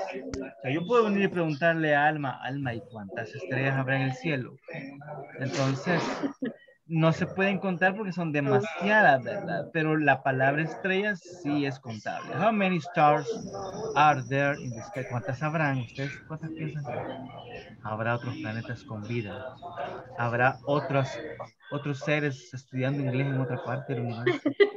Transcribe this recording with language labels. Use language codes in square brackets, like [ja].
[es] O sea, yo puedo venir y preguntarle a Alma, ¿y cuántas estrellas habrá en el cielo? Entonces, no se pueden contar porque son demasiadas, ¿verdad? Pero la palabra estrellas sí es contable. [en] How many stars are there in the sky? [es] ¿Cuántas habrán? ¿Ustedes cuántas piensan? ¿Habrá otros planetas con vida? ¿Habrá otros seres estudiando inglés en otra parte del universo?